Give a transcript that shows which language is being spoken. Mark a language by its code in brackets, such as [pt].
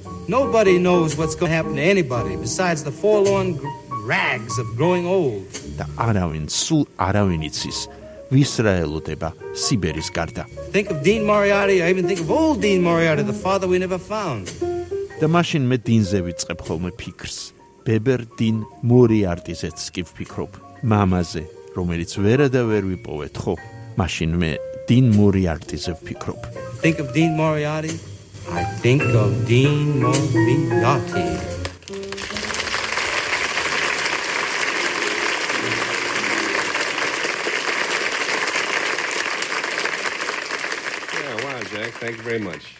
[en] Nobody knows what's going to happen to anybody besides the forlorn rags of growing old. [ka] და არავინ, სულ არავინ იცის, ვის რა ელოდება სიბერის გარდა. [en] Think of Dean Moriarty, I even think of old Dean Moriarty, the father we never found. [ka] და მაშინ მე დინზე ვიწყებ ხოლმე ფიქრს. ბებერ დინ მორიარტიზეც კი ვფიქრობ. მამაზე, რომელიც ვერა და ვერ ვიპოვეთ ხო? მაშინ მე დინ მორიარტიზე ვფიქრობ. [en] Think of Dean Moriarty. I think of Dean Moriarty. Yeah, wow, Jack. Thank you very much.